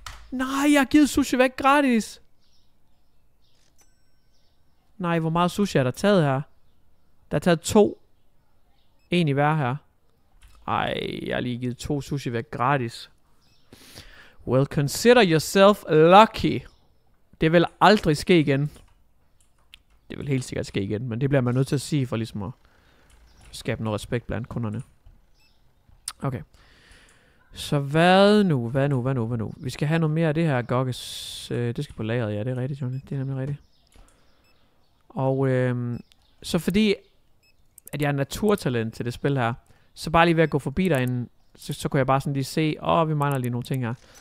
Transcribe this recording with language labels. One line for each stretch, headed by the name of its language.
Danish: Nej, jeg har givet sushi væk gratis. Nej, hvor meget sushi er der taget her? Der er taget 2. En i hver her. Ej, jeg har lige givet 2 sushi væk gratis.
English: Well, consider yourself lucky.
Danish: Det vil aldrig ske igen. Det vil helt sikkert ske igen, men det bliver man nødt til at sige for ligesom at skabe noget respekt blandt kunderne. Okay. Så hvad nu? Vi skal have noget mere af det her gokkes. Det skal på lageret, ja, det er rigtigt, Johnny. Det er nemlig rigtigt. Og så fordi, at jeg er naturtalent til det spil her, så bare lige ved at gå forbi derinde, så kunne jeg bare sådan lige se, åh, vi mangler lige nogle ting her.